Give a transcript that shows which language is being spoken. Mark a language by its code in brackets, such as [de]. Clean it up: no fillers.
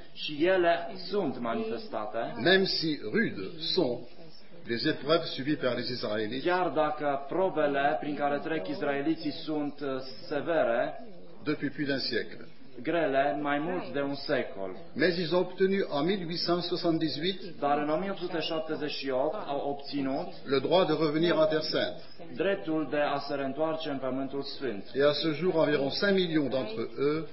[ro] Și ele sunt manifestate. [fr] Même si rudes sont les épreuves subies par les Israélites. [ro] Chiar dacă probele prin care trec israeliții sunt severe. [fr] Depuis plus d'un siècle. [ro] Grele mai mult de un secol. [fr] Mais ils ont obtenu en 1878. [ro] Dar în 1878 au obținut. [fr] Le droit de revenir en Terre Sainte. [ro] Dreptul de a se reîntoarce în Pământul Sfânt. [fr] Et à ce jour environ 5 millions d'entre eux.